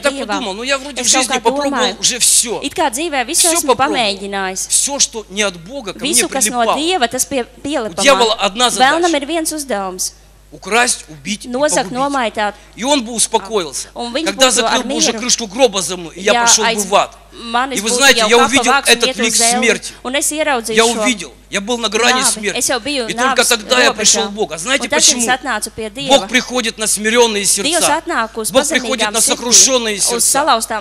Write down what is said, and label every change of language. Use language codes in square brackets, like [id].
[ru] так подумал, ну я вроде в жизни попробовал уже все. [lv] It kā dzīvē visu esmu pamēģinājis. [ru] Все, что не от Бога, ко мне [lv] Visu, kas no Dieva, tas pielipa man. [ru] У дьявола одна задача. [lv] Vēlnam ir viens uzdevums. [ru] Украсть, убить и погубить. [lv] Nomaitāt. [ru] И он бы успокоился, когда закрыл бы уже крышку гроба за мной, и я пошел бы в ад. И вы знаете, я увидел этот лик смерти. Я увидел. Я был на грани смерти. И только тогда я пришел к Богу. А знаете почему? Бог приходит на смиренные сердца. Бог приходит на сокрушенные сердца.